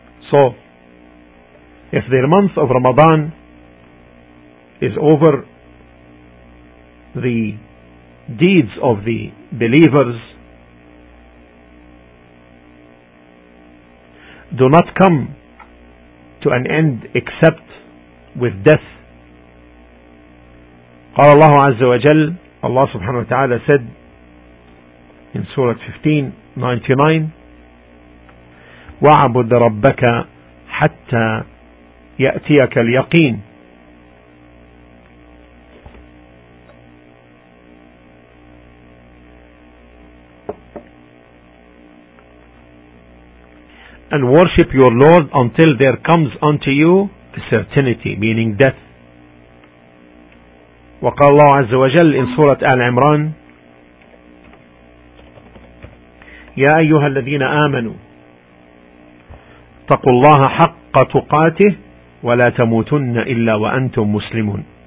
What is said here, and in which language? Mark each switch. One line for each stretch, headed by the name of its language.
English: So, if the month of Ramadan is over, the deeds of the believers do not come to an end except with death.
Arabic: قال الله عز وجل,
English: Allah subhanahu wa ta'ala said in Surah 15:99,
Arabic: وَعَبُدْ رَبَّكَ حَتَّى يَأْتِيَكَ الْيَقِينَ.
English: And worship your Lord until there comes unto you a certainty, meaning death.
Arabic: وقال الله عز وجل
English: in Surah Al-Imran,
Arabic: يا أيها الذين آمنوا اتقوا الله حق تقاته ولا تموتن إلا وأنتم مسلمون.